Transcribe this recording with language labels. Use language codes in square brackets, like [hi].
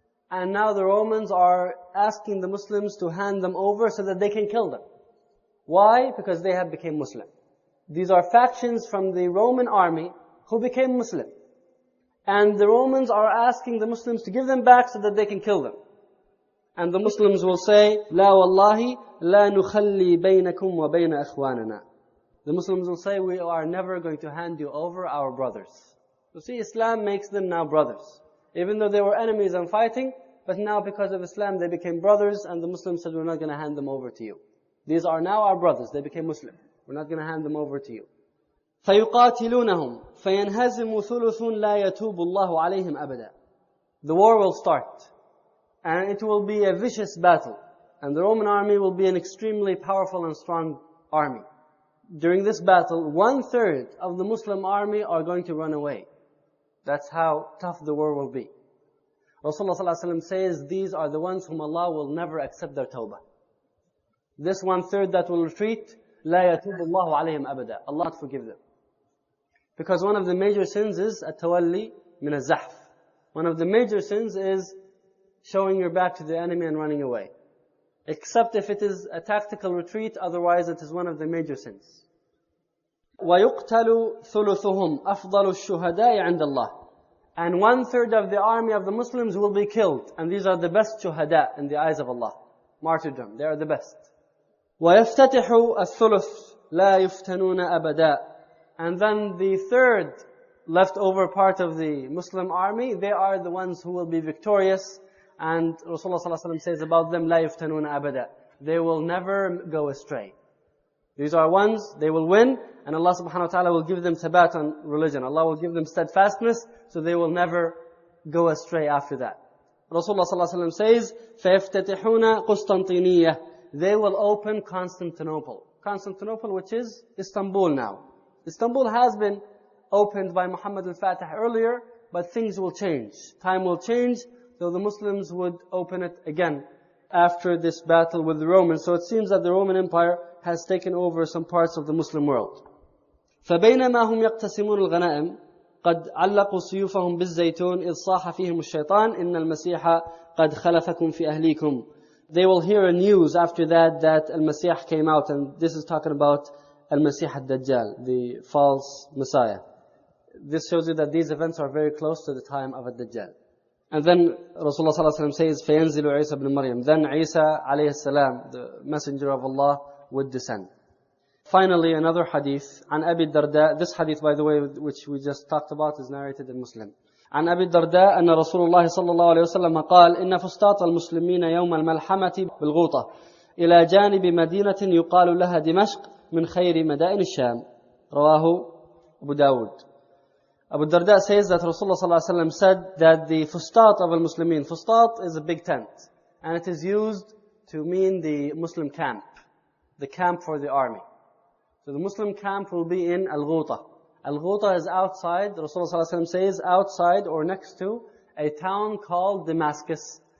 [en] And now the Romans are asking the Muslims to hand them over so that they can kill them. Why? Because they have become Muslim. These are factions from the Roman army who became Muslim. And the Romans are asking the Muslims to give them back so that they can kill them. And the Muslims will say, [ar] لا والله لا نخلي بينكم وبين أخواننا. [en] The Muslims will say, we are never going to hand you over our brothers. You see, Islam makes them now brothers. Even though they were enemies and fighting, but now because of Islam they became brothers, and the Muslims said, we're not going to hand them over to you. These are now our brothers, they became Muslim. We're not going to hand them over to you. [ar] فَيُقَاتِلُونَهُمْ فَيَنْهَزِمُ ثُلُثٌ لَا يَتُوبُ اللَّهُ عَلَيْهِمْ أَبَدًا. [en] The war will start. And it will be a vicious battle. And the Roman army will be an extremely powerful and strong army. During this battle, 1/3 of the Muslim army are going to run away. That's how tough the war will be. Rasulullah ﷺ says, these are the ones whom Allah will never accept their tawbah. This 1/3 that will retreat, [ar] لا يتوب الله عليهم أبدا. [en] Allah forgive them. Because one of the major sins is [ar] التولي من الزحف. [en] One of the major sins is showing your back to the enemy and running away. Except if it is a tactical retreat, otherwise it is one of the major sins. [ar] وَيُقْتَلُ ثُلُثُهُمْ أَفْضَلُ الشُّهَدَاءِ عِنْدَ اللَّهِ. [en] And 1/3 of the army of the Muslims will be killed. And these are the best shuhada in the eyes of Allah. Martyrdom, they are the best. [ar] وَيَفْتَتِحُ الثُّلُثُ لَا يُفْتَنُونَ أَبَدًا. [en] And then the third leftover part of the Muslim army, they are the ones who will be victorious. And Rasulullah ﷺ says about them, [ar] لَا يُفْتَنُونَ أَبَدًا. [en] They will never go astray. These are ones, they will win, and Allah subhanahu wa ta'ala will give them thabat on religion. Allah will give them steadfastness, so they will never go astray after that. Rasulullah ﷺ says, [ar] فَيَفْتَتِحُونَ قُسْطَنْطِينِيَّةِ. [en] They will open Constantinople. Constantinople, which is Istanbul now. Istanbul has been opened by Muhammad al-Fatih earlier, but things will change. Time will change, so the Muslims would open it again after this battle with the Romans. So it seems that the Roman Empire has taken over some parts of the Muslim world. [ar] فَبَيْنَمَا هُمْ يَقْتَسِمُونَ الْغَنَائِمِ قَدْ عَلَّقُوا سُيُوفَهُمْ بِالزَّيْتُونِ إِذْ صَاحَ فِيهِمُ الشَّيْطَانِ إِنَّ الْمَسِيحَ قَدْ خَلَفَكُمْ فِي أَهْلِيكُمْ. [en] They will hear a news after that Al-Masih came out, and this is talking about Al-Masih al-Dajjal, the false Messiah. This shows you that these events are very close to the time of al-Dajjal. And then Rasulullah ﷺ says, [ar] فَيَنْزِلُ عِيسَى بْنِ مَرْيَمُ. [en] Then Isa عليه السلام, the messenger of Allah, would descend. Finally, another hadith, عن أبي الدرداء. This hadith, by the way, which we just talked about, is narrated in Muslim. [ar] عن أبي الدرداء أن رسول الله صلى الله عليه وسلم قال إن فسطاط المسلمين يوم الملحمة بالغوطة إلى جانب مدينة يقال لها دمشق من خير مدائن الشام. رواه أبو داود. [en] Abu Darda says that Rasulullah ﷺ said that the fustat of al-Muslimin, fustat is a big tent, and it is used to mean the Muslim camp, the camp for the army. So the Muslim camp will be in al-Ghuta. Al-Ghuta is outside, Rasulullah ﷺ says, outside or next to a town called Damascus.